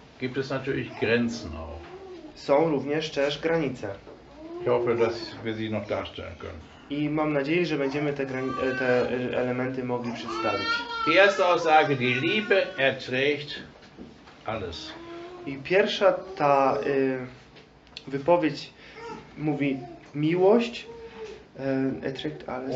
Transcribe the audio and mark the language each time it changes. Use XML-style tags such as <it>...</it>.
<de>gibt es natürlich Grenzen auch.</de> <pl>Są również też granice.</pl> <de>Ich hoffe, dass wir sie noch darstellen können.</de> <pl>I mam nadzieję, że będziemy te elementy mogli przedstawić.</pl> <de>Die erste Aussage, die Liebe erträgt alles.</de> <pl>I pierwsza ta wypowiedź mówi miłość</pl> <de>erträgt alles.</de>